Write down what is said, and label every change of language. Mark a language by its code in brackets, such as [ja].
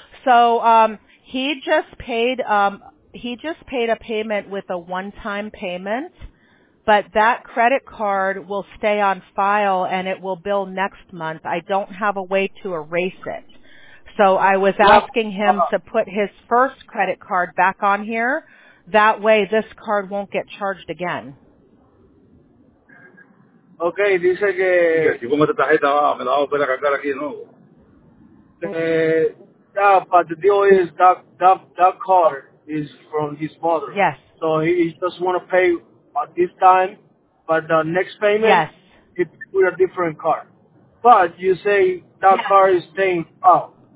[en] So he just paid a payment with a one-time payment, but that credit card will stay on file and it will bill next month. I don't have a way to erase it. So I was asking him to put his first credit card back on here. That way this card won't get charged again. [es] Okay, dice que... Si pongo esta tarjeta, me la voy a poder cargar aquí de nuevo. [en] Yeah, but the deal is that card is from his mother. Yes. So he just want to pay at this time, but the next payment, yes, he put a different card. But you say that, yeah, card is staying out.